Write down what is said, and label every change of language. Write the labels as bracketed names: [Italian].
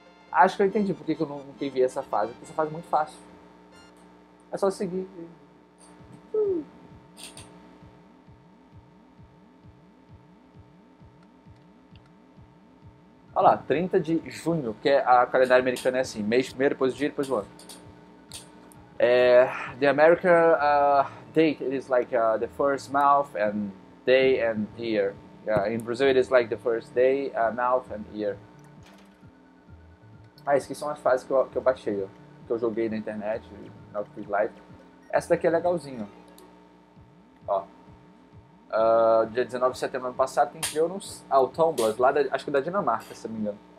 [Portuguese] Acho que eu entendi por que eu não enviei essa fase. Porque essa fase é muito fácil. É só seguir. Olha lá, 30 de junho, que é a calendário americano é assim. Mês primeiro, depois o dia, depois o ano. [English] É, the America... Date, it is like the first month and day and year. Yeah, in Brazil, it is like the first day, month and year. [Portuguese] Ah, essas aqui são as fases que eu baixei, ó, que eu joguei na internet, no Free Life. Essa daqui é legalzinho. Ó. Dia 19 de setembro do ano passado, quem criou nos Tumblr, lá da, acho que da Dinamarca, se não me engano.